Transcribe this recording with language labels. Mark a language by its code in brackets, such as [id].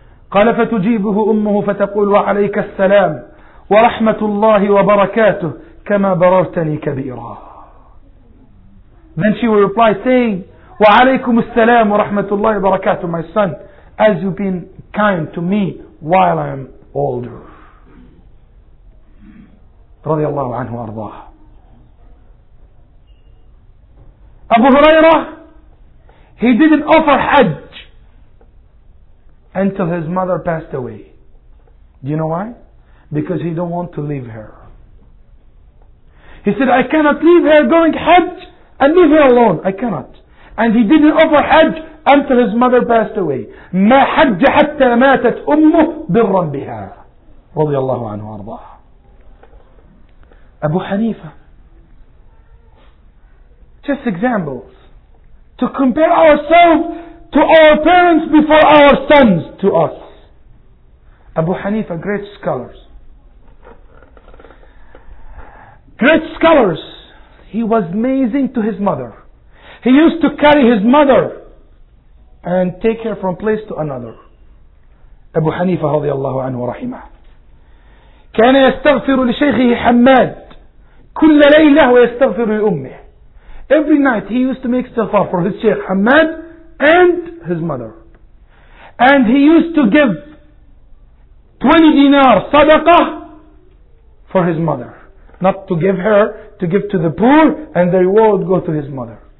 [ar] قال فتجيبه أمه فتقول وعليك السلام ورحمة الله وبركاته كما بررتني كبيرا. [en] Then she will reply saying [ar] وعليكم السلام ورحمة الله وبركاته, [en] my son, as you've been kind to me while I'm older. [ar] رضي الله عنه وأرضاه. [en] أبو هريرة, he didn't offer Hajj until his mother passed away. Do you know why? Because he don't want to leave her. He said, I cannot leave her going Hajj and leave her alone. I cannot. And he didn't offer Hajj until his mother passed away. [ar] ما حج حتى ماتت أمه برا بها. رضي الله عنه وارضاه. أبو حنيفة. [en] Just examples. To compare ourselves to our parents before our sons to us. Abu Hanifa, great scholars. Great scholars. He was amazing to his mother. He used to carry his mother and take her from place to another. [ar] Abu Hanifa رضي الله عنه ورحمه. كان يستغفر لشيخه حماد كل ليلة ويستغفر لأمه. [en] Every night he used to make istighfar for his Sheikh Hamad and his mother. And he used to give 20 dinar sadaqah for his mother. Not to give her, to give to the poor, and the reward would go to his mother.